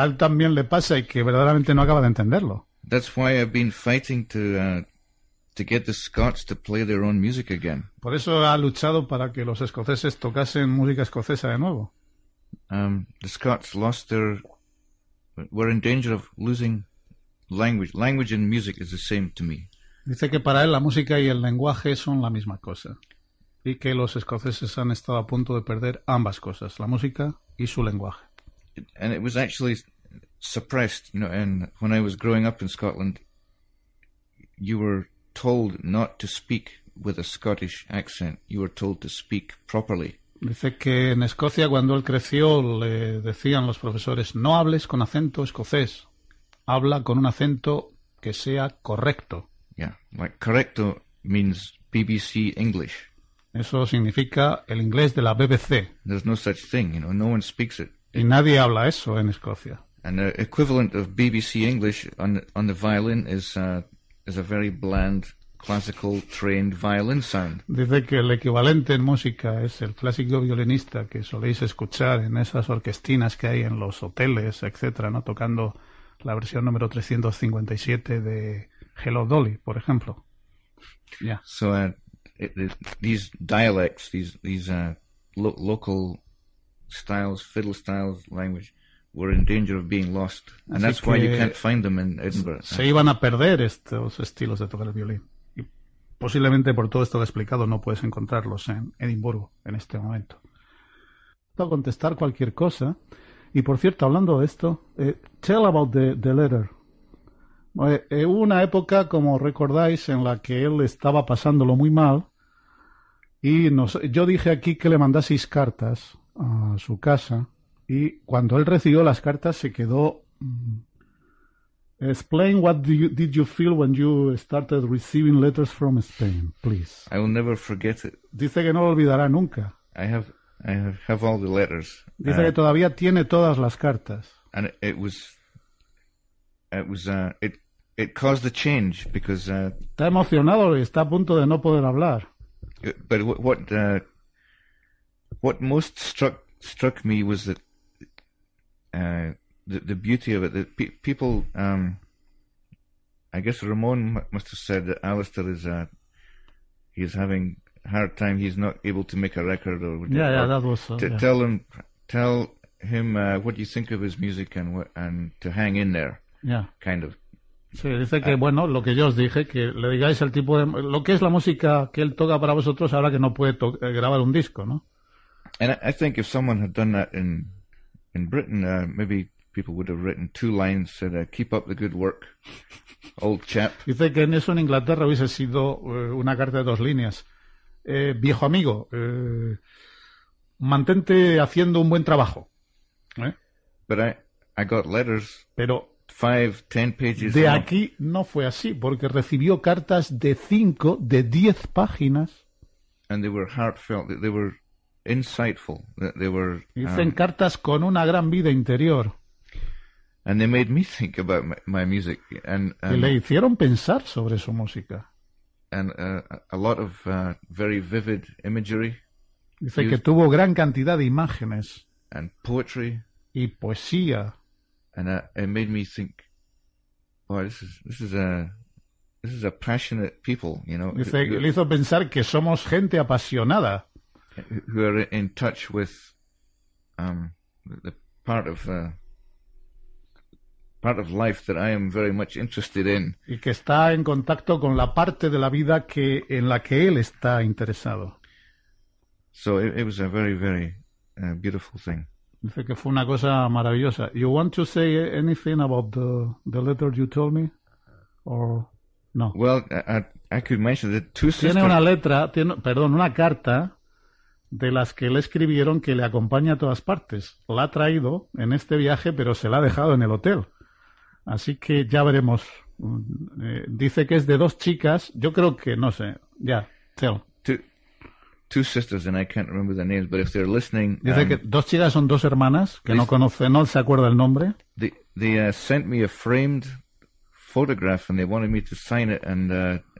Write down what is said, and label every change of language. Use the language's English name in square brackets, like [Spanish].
[Spanish] A él también le pasa y que verdaderamente no acaba de entenderlo. [English] That's why I've been fighting to get the Scots to play their own music again. [Spanish] Por eso ha luchado para que los escoceses tocasen música escocesa de nuevo. [English] The Scots lost their... were in danger of losing language. Language and music is the same to me. [Spanish] Dice que para él la música y el lenguaje son la misma cosa. Y que los escoceses han estado a punto de perder ambas cosas, la música y su lenguaje. [English] And it was actually suppressed, you know, and when I was growing up in Scotland, you were told not to speak with a Scottish accent. You were told to speak properly. [Spanish] Dice que en Escocia cuando él creció le decían los profesores no hables con acento escocés, habla con un acento que sea correcto. [English] Yeah, like correcto means BBC English. [Spanish] Eso significa el inglés de la BBC. [English] There's no such thing, you know, no one speaks it. [Spanish] Y nadie habla eso en Escocia. [English] And the equivalent of BBC English on the violin is a very bland classical trained violin sound. [Spanish] Dice que el equivalente en música es el clásico violinista que soléis escuchar en esas orquestinas que hay en los hoteles, etcétera, no tocando la versión número 357 de Hello Dolly, por ejemplo. [English] Yeah. So these dialects, these local styles, fiddle styles, language, were in danger of being lost, and that's why you can't find them in Edinburgh. [Spanish] Se iban a perder estos estilos de tocar el violín. Y posiblemente por todo esto que he explicado no puedes encontrarlos en Edimburgo en este momento. Puedo contestar cualquier cosa. Y por cierto, hablando de esto, [English] tell about the letter. [Spanish] Hubo una época, como recordáis, en la que él estaba pasándolo muy mal. Y yo dije aquí que le mandaseis cartas a su casa. Y cuando él recibió las cartas se quedó... [English] Explain what did you feel when you started receiving letters from Spain, please. I will never forget it. [Spanish] Dice que no lo olvidará nunca. [English] I have all the letters. [Spanish] Dice que todavía tiene todas las cartas. [English] And it caused a change because... [Spanish] Está emocionado y está a punto de no poder hablar. [English] But what most struck me was that the beauty of it, that people, I guess Ramon must have said that Alistair is having a hard time, he's not able to make a record or whatever. Yeah, that was so. Yeah. Tell him what you think of his music and to hang in there. Yeah. Kind of. [Spanish] Sí, dice que, bueno, lo que yo os dije, que le digáis al tipo de... Lo que es la música que él toca para vosotros ahora que no puede grabar un disco, ¿no? [English] And I think if someone had done that in Britain, maybe people would have written two lines, said, keep up the good work, old chap. [Spanish] Dice que en eso en Inglaterra hubiese sido una carta de dos líneas. Viejo amigo, mantente haciendo un buen trabajo. ¿Eh? [English] But I got letters. [Spanish] Pero... [English] 5-10 pages. [Spanish] De aquí no fue así, porque recibió cartas de 5, de 10 páginas. [English] And they were heartfelt, they were insightful, they were... [Spanish] Dicen cartas con una gran vida interior. [English] And they made me think about my music. [Spanish] Y le hicieron pensar sobre su música. [English] And a lot of very vivid imagery. [Spanish] Dice que tuvo gran cantidad de imágenes. [English] And poetry. [Spanish] Y poesía. [English] And it made me think, boy, this is a passionate people, you know. [Spanish] Dice, le hizo pensar que somos gente apasionada. [English] Who are in touch with the part of life that I am very much interested in. [Spanish] Y que está en contacto con la parte de la vida que en la que él está interesado. [English] So it was a very, very beautiful thing. [Spanish] Dice que fue una cosa maravillosa. [English] You want to say anything about the letter you told me, or no? Well, I could mention the two sisters. [Spanish] Tiene una letra, una carta de las que le escribieron que le acompaña a todas partes. La ha traído en este viaje, pero se la ha dejado en el hotel. Así que ya veremos. Dice que es de dos chicas. Yo creo que no sé. Ya, [English] tell. Two sisters, and I can't remember their names, but if they're listening... [Spanish] Dice que dos chicas son dos hermanas, que no conoce, no se acuerda el nombre. [English] They sent me a framed photograph, and they wanted me to sign it, and...